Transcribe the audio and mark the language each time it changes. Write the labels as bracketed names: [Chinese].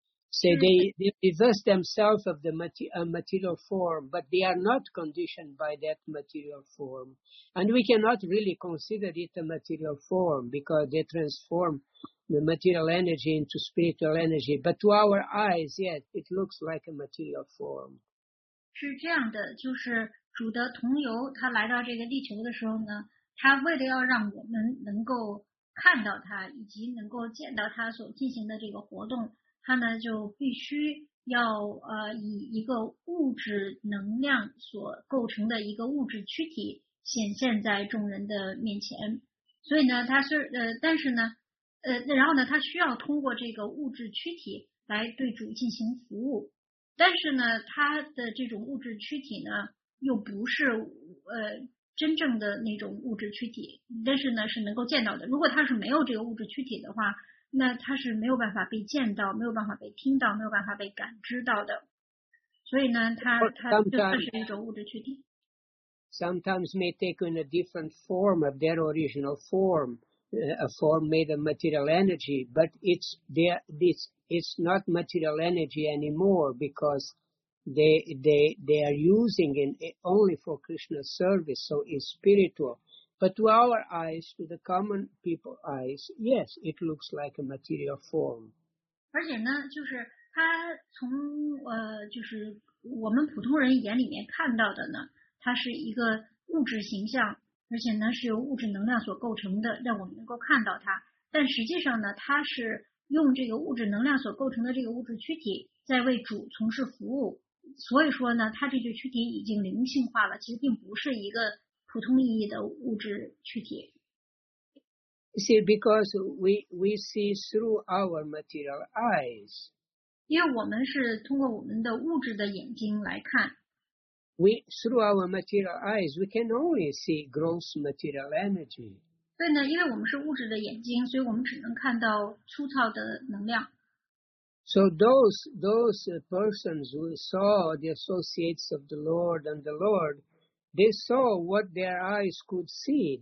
[English] So they reverse themselves of the material form, but they are not conditioned by that material form. And we cannot really consider it a material form because they transform the material energy into spiritual energy. But to our eyes, yes, it looks like a material form. [Chinese] 是这样的，就是主的同游他来到这个地球的时候呢，他为了要让我们能够看到他以及能够见到他所进行的这个活动，他呢就必须要以一个物质能量所构成的一个物质躯体显现在众人的面前。所以呢他是但是呢然后呢他需要通过这个物质躯体来对主进行服务。但是呢他的这种物质躯体呢又不是真正的那种物质躯体，但是呢是能够见到的。如果他是没有这个物质躯体的话，那他是没有办法被见到，没有办法被听到，没有办法被感知到的。所以呢他就是一种物质躯体。 [English] Sometimes may take on a different form of their original form, a form made of material energy, but it's not material energy anymore because. They are using it only for Krishna's service, so it's spiritual. But to our eyes, to the common people's eyes, yes, it looks like a material form. [Chinese] 而且呢，就是他从就是我们普通人眼里面看到的呢，它是一个物质形象。而且呢是由物质能量所构成的，让我们能够看到它。但实际上呢，它是用这个物质能量所构成的这个物质躯体在为主从事服务。所以说呢，它这具躯体已经灵性化了，其实并不是一个普通意义的物质躯体。 [English] You see, because we see through our material eyes. [Chinese] 因为我们是通过我们的物质的眼睛来看。 [English] We, through our material eyes, we can only see gross material energy. [Chinese] 对呢，因为我们是物质的眼睛，所以我们只能看到粗糙的能量。 [English] So those persons who saw the associates of the Lord and the Lord, they saw what their eyes could see.